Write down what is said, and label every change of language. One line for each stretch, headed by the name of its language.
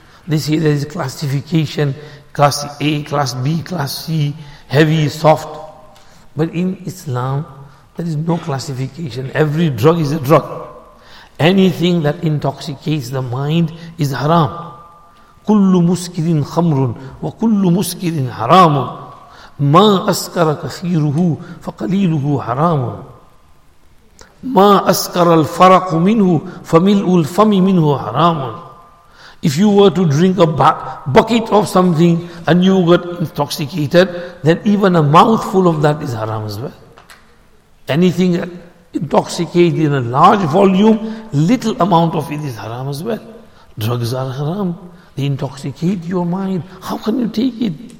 English: They say there is classification, class A, class B, class C, heavy, soft. But in Islam, there is no classification. Every drug is a drug. Anything that intoxicates the mind is haram.
Arabic: كُلُّ مُسْكِرٍ خَمْرٌ وَكُلُّ مُسْكِرٍ حَرَامٌ مَا أَسْكَرَ كَثِيرُهُ فَقَلِيلُهُ حَرَامٌ مَا أَسْكَرَ الْفَرَقُ مِنْهُ فَمِلْءُ الْفَمِ مِنْهُ حَرَامٌ.
English: If you were to drink a bucket of something and you got intoxicated, then even a mouthful of that is haram as well. Anything intoxicated in a large volume, little amount of it is haram as well. Drugs are haram. They intoxicate your mind. How can you take it?